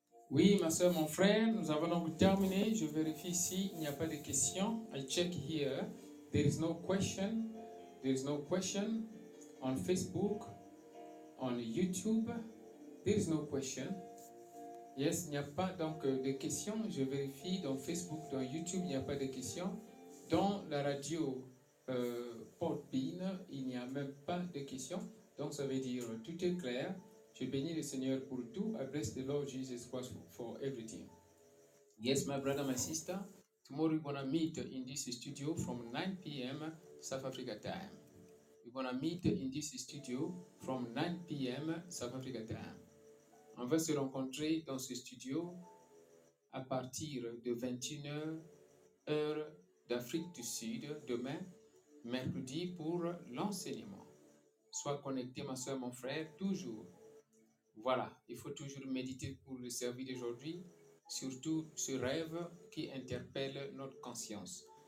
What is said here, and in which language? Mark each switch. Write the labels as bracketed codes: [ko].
[fr] Oui, ma soeur, mon frère, nous avons donc terminé. Je vérifie ici, il n'y a pas de questions. [en] I check here. There is no question. There is no question on Facebook, on YouTube. There is no question. [fr] Yes, il n'y a pas donc de questions. Je vérifie dans Facebook, dans YouTube, il n'y a pas de questions. Dans la radio Podbean, il n'y a même pas de questions. Donc, ça veut dire tout est clair. Je bénis le Seigneur pour tout. [en] I bless the Lord Jesus Christ for everything. Yes, my brother, my sister. Tomorrow we're going to meet in this studio from 9 p.m. South Africa time. We're going to meet in this studio from 9 p.m. South Africa time. [fr] On va se rencontrer dans ce studio à partir de 21h, heure d'Afrique du Sud, demain, mercredi, pour l'enseignement. Sois connecté, ma soeur, mon frère, toujours. Voilà, il faut toujours méditer pour le service d'aujourd'hui, surtout ce rêve qui interpelle notre conscience.